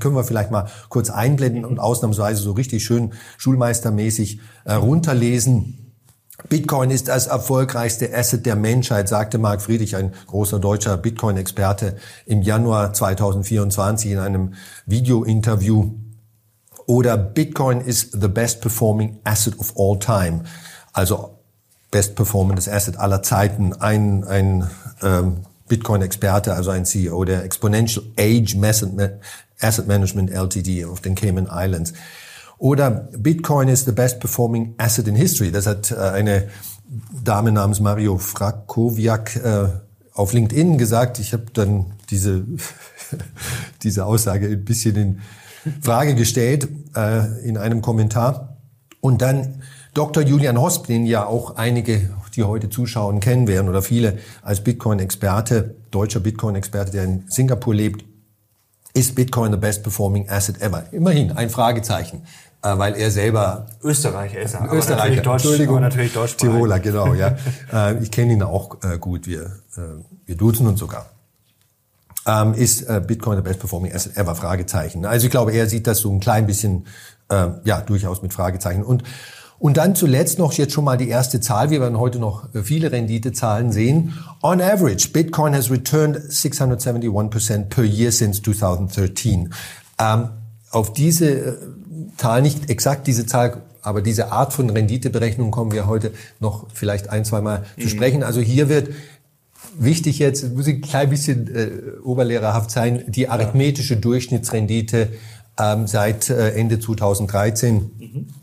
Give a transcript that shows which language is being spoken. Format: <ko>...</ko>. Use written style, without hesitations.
<de>Können wir vielleicht mal kurz einblenden und ausnahmsweise so richtig schön schulmeistermäßig runterlesen. Bitcoin ist das erfolgreichste Asset der Menschheit, sagte Mark Friedrich, ein großer deutscher Bitcoin-Experte, im Januar 2024 in einem Video-Interview.</de> <en>Oder Bitcoin is the best performing asset of all time.</en> <de>Also best performendes Asset aller Zeiten. Ein Bitcoin-Experte, also ein CEO der Exponential Age Asset Management LTD auf den Cayman Islands.</de> <en>Oder Bitcoin is the best performing asset in history.</en> <de>Das hat eine Dame namens Mario Frakowiak auf LinkedIn gesagt. Ich habe dann diese diese Aussage ein bisschen in Frage gestellt in einem Kommentar. Und dann Dr. Julian Hosp, den ja auch einige, die heute zuschauen, kennen werden oder viele als Bitcoin-Experte, deutscher Bitcoin-Experte, der in Singapur lebt, ist Bitcoin</de> <en>the best performing asset ever?</en> <de>Immerhin ein Fragezeichen, weil er selber Österreicher ist. Österreicher, Entschuldigung, natürlich Deutsch. Tiroler, genau, ja. Ich kenne ihn auch gut, wir duzen uns sogar. Ist Bitcoin</de> <en>the best performing asset ever?</en> <de>Fragezeichen. Also ich glaube, er sieht das so ein klein bisschen, ja, durchaus mit Fragezeichen. Und dann zuletzt noch jetzt schon mal die erste Zahl. Wir werden heute noch viele Renditezahlen sehen.</de> <en>On average, Bitcoin has returned 671% per year since 2013.</en> <de>Auf diese Zahl, nicht exakt diese Zahl, aber diese Art von Renditeberechnung kommen wir heute noch vielleicht ein, zweimal zu sprechen. Also hier wird wichtig jetzt, muss ich ein klein bisschen oberlehrerhaft sein, die arithmetische Durchschnittsrendite seit Ende 2013.</de>